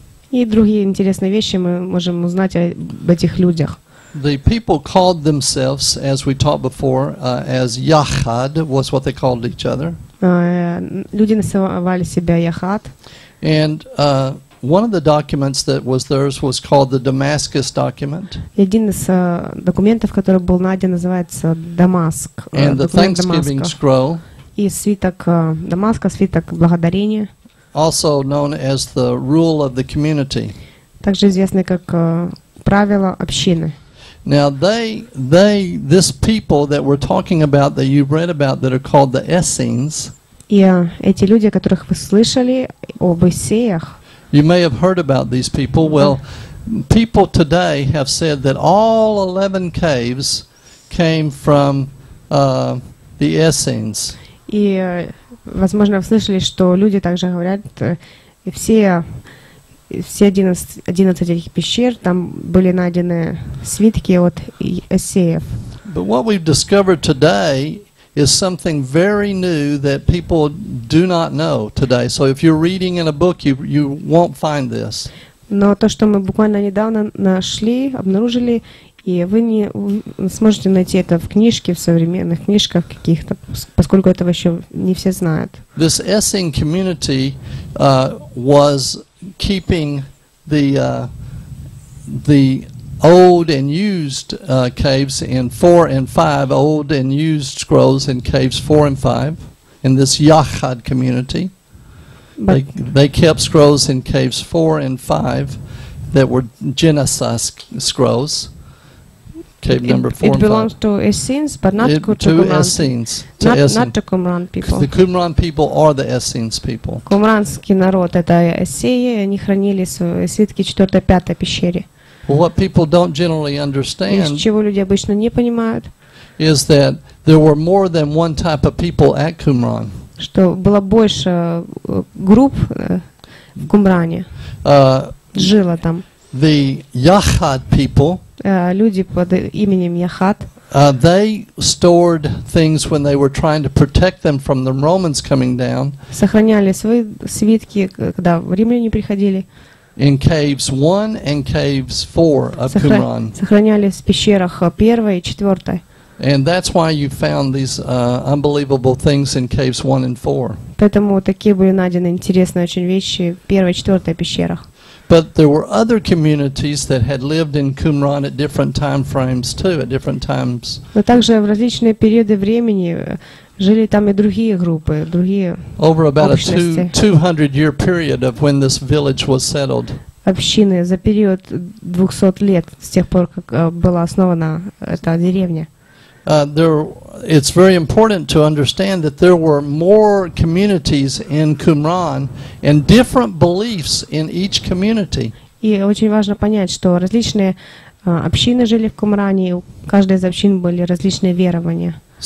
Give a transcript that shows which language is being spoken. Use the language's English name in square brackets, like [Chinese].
[Russian] И другие интересные вещи мы можем узнать об этих людях. [English] The people called themselves, as we talked before, as Yahad was what they called each other. [Russian] Люди называли себя Яхад. [English] And one of the documents that was theirs was called the Damascus document. [Russian] Один из документов, который был найден, называется Дамаск. [English] And the Thanksgiving scroll. [Russian] И свиток Дамаска, свиток благодарения. [English] Also known as the rule of the community. [Russian] Также известный как правило общины. [English] Now they this people that we're talking about that you read about that are called the Essenes. [Russian] Эти люди, о которых вы слышали об Эссеях. [English] You may have heard about these people. Well, people today have said that all 11 caves came from the Essenes. [Russian] И, возможно, вы слышали, что люди также говорят, все 11 этих пещер, там были найдены свитки от эссеев. [English] But what we've discovered today is something very new that people do not know today. So if you're reading in a book, you won't find this. [Russian] Но то, что мы буквально недавно нашли, обнаружили, и вы не сможете найти это в книжке, в современных книжках каких-то, поскольку этого еще не все знают. [English] This Essene community was keeping the old and used caves in 4 and 5, old and used scrolls in caves 4 and 5, in this Yachad community. They kept scrolls in caves 4 and 5 that were Genesis scrolls. Cave number 4 and 5. It belongs to Essenes, but not to Qumran. Essenes, to Essenes. Not to Qumran people. The Qumran people are the Essenes people. [Russian] Qumranский народ — это эссеи, они хранили свои свитки 4-5 пещере. [English] What people don't generally understand is, [Russian] чего люди обычно не понимают, [English] is that there were more than one type of people at Qumran. [Russian] Что было больше групп в Кумране, жило там. [English] The Yachad people, [Russian] люди под именем Yachad, [English] they stored things when they were trying to protect them from the Romans coming down. [Russian] Сохраняли свои свитки, когда римляне приходили. [English] In caves 1 and caves 4 of Qumran. [Russian] Сохраняли в пещерах 1 и 4. [English] And that's why you found these unbelievable things in caves 1 and 4. [Russian] Поэтому такие были найдены интересные очень вещи в 1 и 4 пещерах. [English] But there were other communities that had lived in Qumran at different time frames too, at different times. [Russian] Но также в различные периоды времени жили там и другие группы, другие общности. [English] Over about a 200-year period of when this village was settled. [Russian] Общины за период 200 лет с тех пор, как была основана эта деревня. [English] It's very important to understand that there were more communities in Qumran and different beliefs in each community. [Russian] И очень важно понять, что различные общины жили в Кумране, и у каждой из общин были различные верования.